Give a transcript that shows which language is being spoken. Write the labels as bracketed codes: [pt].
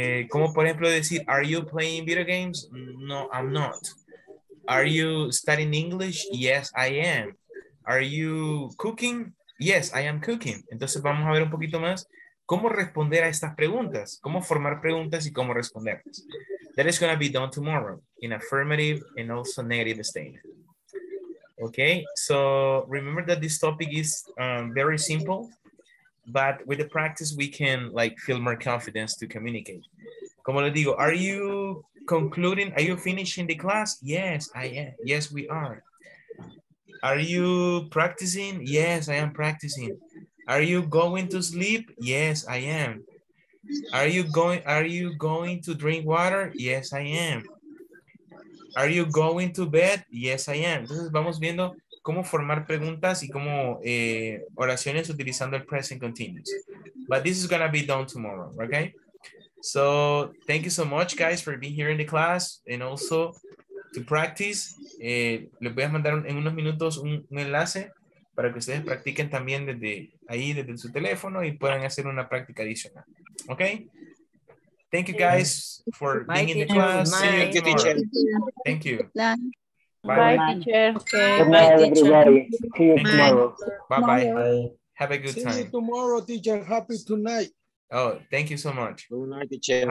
[es] Como por ejemplo decir, [en] are you playing video games? No, I'm not. Are you studying English? Yes, I am. Are you cooking? Yes, I am cooking. [es] Entonces vamos a ver un poquito más cómo responder a estas preguntas, cómo formar preguntas y cómo responderlas. [en] That is going to be done tomorrow in affirmative and also negative statement. Okay, so remember that this topic is very simple, but with the practice we can like feel more confidence to communicate. [es] Como le digo, [en] are you concluding? Are you finishing the class? Yes, I am. Yes, we are. Are you practicing? Yes, I am practicing. Are you going to sleep? Yes, I am. Are you going to drink water? Yes, I am. Are you going to bed? Yes, I am. [es] Entonces vamos viendo cómo formar preguntas y cómo oraciones utilizando el present continuous. [en] But this is going to be done tomorrow, okay? So thank you so much, guys, for being here in the class and also to practice. [es] Les voy a mandar en unos minutos un enlace para que ustedes practiquen también desde ahí, desde su teléfono y puedan hacer una práctica adicional, okay? [en] Thank you guys for being in the class. See you tomorrow. Teacher. Thank you. Bye. Bye, teacher. Okay. Good night, everybody. See you tomorrow. Bye. Bye. Have a good time. See you tomorrow, teacher. Happy tonight. Oh, thank you so much. Good night, teacher.